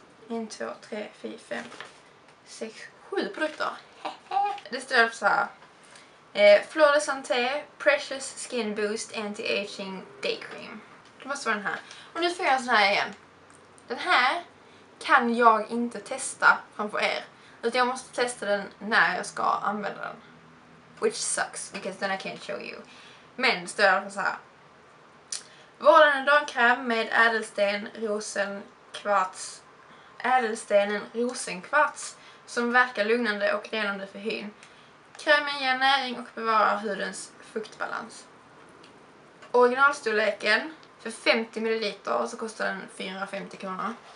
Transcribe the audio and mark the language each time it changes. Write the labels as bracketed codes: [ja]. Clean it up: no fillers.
[sv] 1, 2, 3, 4, 5, 6, 7 produkter. Det står så här. Flawless Santé Precious Skin Boost Anti-Aging Day Cream. Det måste vara den här. Och nu får jag sån här igen. Den här kan jag inte testa framför er. Utan jag måste testa den när jag ska använda den. [en] Which sucks, because then I can't show you. [sv] Men det står alltså så här. Vårdande dagkräm med ädelsten, rosen, kvarts. Ädelstenen rosenkvarts som verkar lugnande och renande för hyn. Krämen ger näring och bevarar hudens fuktbalans. Originalstorleken för 50 ml så kostar den 450 kronor.